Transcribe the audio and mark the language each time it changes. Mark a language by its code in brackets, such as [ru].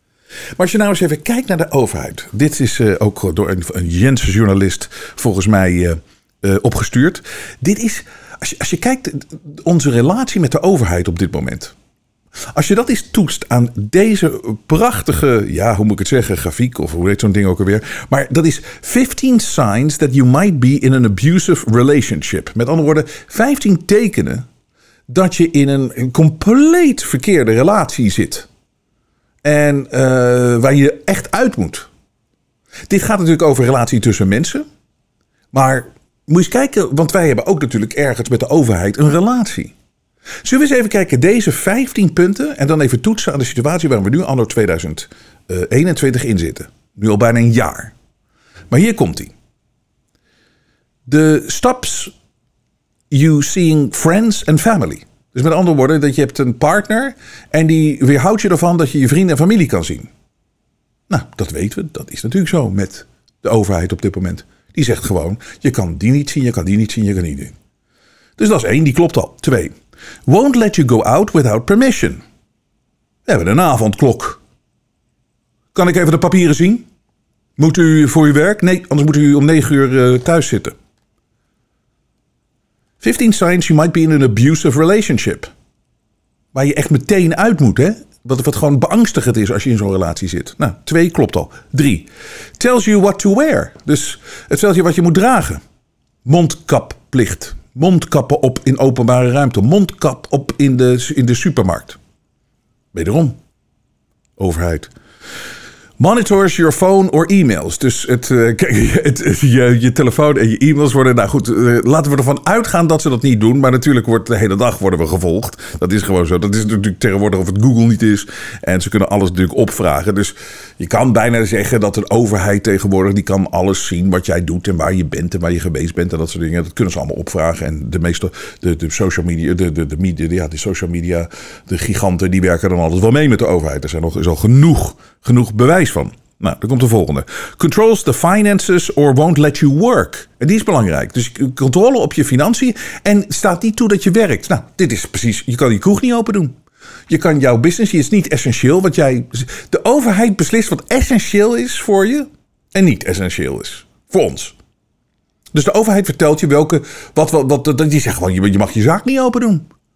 [nl] Maar als je nou eens even kijkt naar de overheid. Dit is ook door een Jensen journalist volgens mij opgestuurd. Dit is, als je kijkt onze relatie met de overheid op dit moment. Als je dat eens toetst aan deze prachtige, ja hoe moet ik het zeggen, grafiek of hoe heet zo'n ding ook alweer. Maar dat is [en] 15 signs that you might be in an abusive relationship. [nl] Met andere woorden, 15 tekenen dat je in een compleet verkeerde relatie zit. En waar je echt uit moet. Dit gaat natuurlijk over relatie tussen mensen. Maar moet je eens kijken, want wij hebben ook natuurlijk ergens met de overheid een relatie. Zullen we eens even kijken, deze 15 punten en dan even toetsen aan de situatie waar we nu anno 2021 in zitten. Nu al bijna een jaar. Maar hier komt ie. [en] The stops you seeing friends and family. [nl] Dus met andere woorden, dat je hebt een partner en die weerhoudt je ervan dat je je vrienden en familie kan zien. Nou, dat weten we. Dat is natuurlijk zo met de overheid op dit moment. Die zegt gewoon, je kan die niet zien, je kan die niet zien, je kan die niet. Dus dat is één, die klopt al. [en] Twee, won't let you go out without permission. [nl] We hebben een avondklok. Kan ik even de papieren zien? Moet u voor uw werk? Nee, anders moet u om 9 uur thuis zitten. [en] 15 signs you might be in an abusive relationship. [nl] Waar je echt meteen uit moet, hè? Dat het gewoon beangstigend is als je in zo'n relatie zit. Nou, 2 klopt al. 3. [en] Tells you what to wear. [nl] Dus het vertelt je wat je moet dragen. Mondkapplicht. Mondkappen op in openbare ruimte. Mondkap op in de supermarkt. Wederom. Overheid. [en] Monitors your phone or emails. [nl] Dus je telefoon en je e-mails worden... Nou goed, laten we ervan uitgaan dat ze dat niet doen. Maar natuurlijk worden de hele dag worden we gevolgd. Dat is gewoon zo. Dat is natuurlijk tegenwoordig of het Google niet is. En ze kunnen alles natuurlijk opvragen. Dus je kan bijna zeggen dat een overheid tegenwoordig... die kan alles zien wat jij doet en waar je bent en waar je geweest bent. En dat soort dingen. Dat kunnen ze allemaal opvragen. En de meeste social media, de giganten... die werken dan altijd wel mee met de overheid. Er is al genoeg bewijs van. Nou, dan komt de volgende. [en] Controls the finances or won't let you work. [nl] En die is belangrijk. Dus controle op je financiën en staat niet toe dat je werkt. Nou, dit is precies, je kan je kroeg niet open doen. Je kan jouw business, die is niet essentieel. Want jij, de overheid beslist wat essentieel is voor je en niet essentieel is voor ons. Dus de overheid vertelt je welke, wat die zeggen gewoon, je mag je zaak niet open doen.